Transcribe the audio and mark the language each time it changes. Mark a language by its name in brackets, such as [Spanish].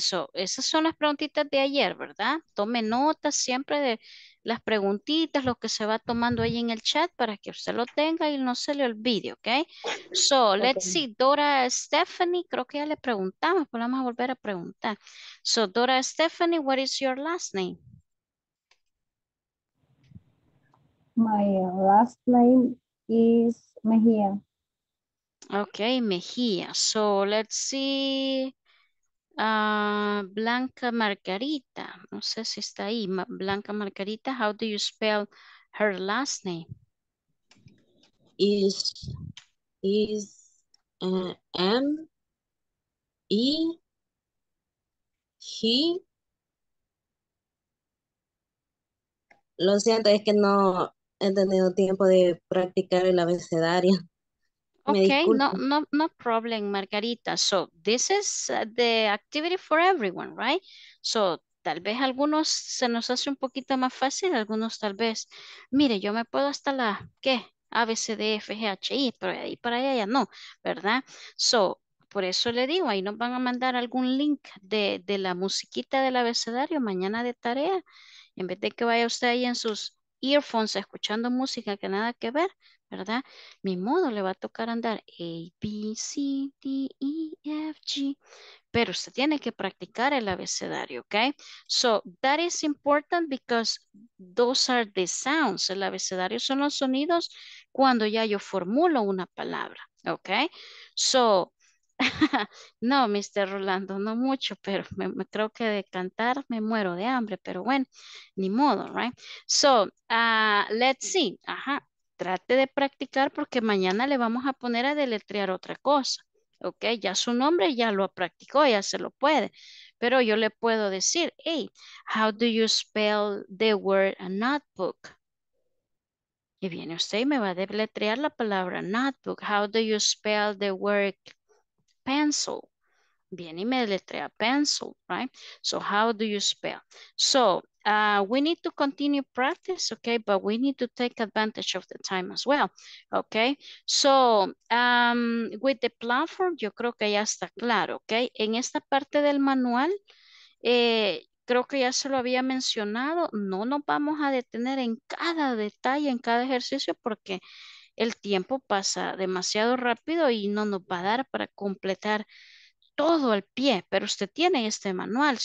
[Spanish] So, esas son las preguntitas de ayer, ¿verdad? Tome notas siempre de las preguntitas, lo que se va tomando ahí en el chat para que usted lo tenga y no se le olvide, ¿ok? [English] So, let's okay. See, [Spanish] Dora Stephanie, creo que ya le preguntamos, pero vamos a volver a preguntar. [English] So, Dora Stephanie, what is your last name? My last name is Mejia. Okay, Mejia. So let's see. [Spanish] Blanca Margarita. No sé si está ahí. [English] Blanca Margarita, how do you spell her last name? Is M E G. [Spanish] Lo siento, es que no he tenido tiempo de practicar el abecedario. [English] Okay, no problem, Margarita. So this is the activity for everyone, right? [Spanish] So tal vez algunos se nos hace un poquito más fácil, algunos tal vez. Mire, yo me puedo hasta la, ¿qué? A, B, C, D, F, G, H, I, pero ahí para allá ya no, ¿verdad? So, por eso le digo, ahí nos van a mandar algún link de la musiquita del abecedario mañana de tarea. En vez de que vaya usted ahí en sus earphones escuchando música que nada que ver, ¿verdad? Mi modo le va a tocar andar A, B, C, D, E, F, G. Pero usted tiene que practicar el abecedario, ¿ok? [English] So, that is important because those are the sounds. [Spanish] El abecedario son los sonidos cuando ya yo formulo una palabra, ¿ok? So, no, Mr. Rolando, no mucho, pero me creo que de cantar me muero de hambre, pero bueno, ni modo, ¿right? [English] So, let's see. [Spanish] Ajá. Trate de practicar porque mañana le vamos a poner a deletrear otra cosa, ¿ok? Ya su nombre ya lo practicó, ya se lo puede, pero yo le puedo decir, [English] hey, how do you spell the word notebook? [Spanish] Y viene usted y me va a deletrear la palabra notebook. [English] How do you spell the word pencil? [Spanish] Viene y me deletrea [English] pencil, right? So how do you spell? So we need to continue practice, okay? But we need to take advantage of the time as well, okay? So with the platform, [Spanish] yo creo que ya está claro, okay? En esta parte del manual, creo que ya se lo había mencionado, no nos vamos a detener en cada detalle, en cada ejercicio, porque el tiempo pasa demasiado rápido y no nos va a dar para completar todo al pie, pero usted tiene este manual.